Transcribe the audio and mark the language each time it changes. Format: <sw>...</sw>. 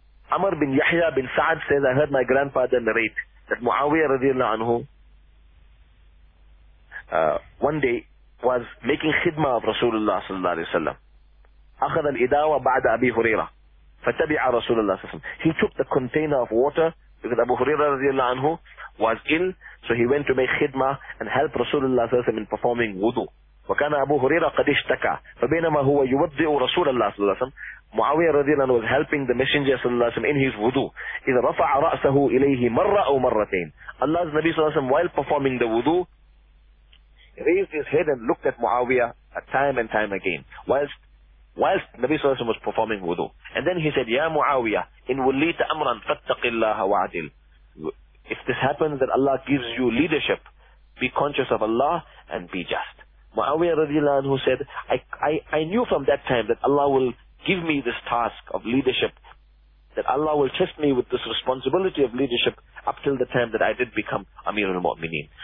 <en>Amr bin Yahya bin Sa'ad says, I heard my grandfather narrate that Muawiyah radiallahu anhu one day was making khidma of Rasulullah sallallahu alayhi wa sallam.</en> <ar>أخذ الإداوة بعد أبي هريرة فتبع</ar> <en>Rasulullah sallallahu alayhi wa sallam. He took the container of water because Abu Huraira radiallahu anhu was ill, so he went to make khidma and help Rasulullah sallallahu alayhi wa sallam in performing wudu.</en> <ar>وكان أبو هريرة قد اشتكى فبينما هو يوضئ رسول الله صلى الله عليه وسلم.</ar> <en>Muawiyah radiallahu anhu was helping the Messenger صلى الله عليه وسلم in his wudu.</en> <ar>إذا رفع رأسه إليه مرة أو مرتين.</ar> <en>Allah's Nabi صلى الله عليه وسلم, while performing the wudu, raised his head and looked at Muawiyah time and time again whilst Nabi صلى الله عليه وسلم was performing wudu. And then he said,</en> <ar>يا معاوية إن وليت أمرا فاتق الله وعدل.</ar> <en>If this happens that Allah gives you leadership, be conscious of Allah and be just. Muawiyah radiallahu anhu said, I knew from that time that Allah will give me this task of leadership, that Allah will trust me with this responsibility of leadership up till the time that I did become Amir al-Mu'mineen.</en>